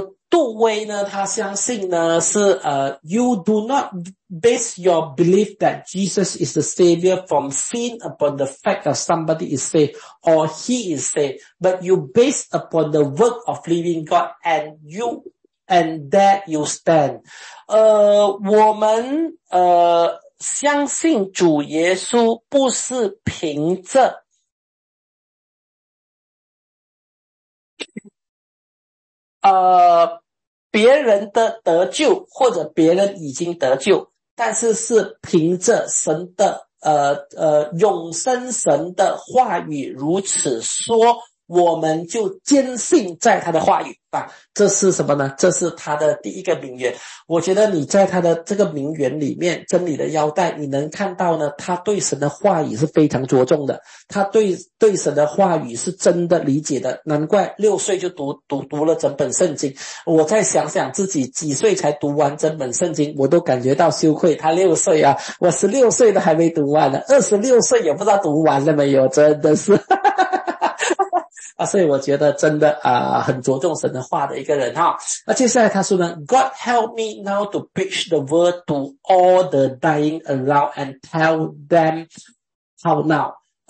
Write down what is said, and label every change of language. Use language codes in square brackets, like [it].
[zh] 杜威呢，他相信呢是 [en] you do not base your belief that Jesus is the savior from sin upon the fact that somebody is saved or he is saved, but you base upon the work of living God and you and there you stand. [zh] 我们相信主耶稣不是凭着别人的得救或者别人已经得救，但是是凭着神的永生神的话语如此说，我们就坚信在他的话语啊。这是什么呢？这是他的第一个名言。我觉得你在他的这个名言里面，真理的腰带，你能看到呢，他对神的话语是非常着重的，他对神的话语是真的理解的，难怪六岁就读了整本圣经。我再想想自己几岁才读完整本圣经，我都感觉到羞愧。他六岁啊，我16岁都还没读完呢，26岁也不知道读完了没有，真的是。啊，所以我觉得真的很着重神的话的一个人哈。那接下来他说呢 [en] ，God help me now to preach the word to all the dying around and tell them how now。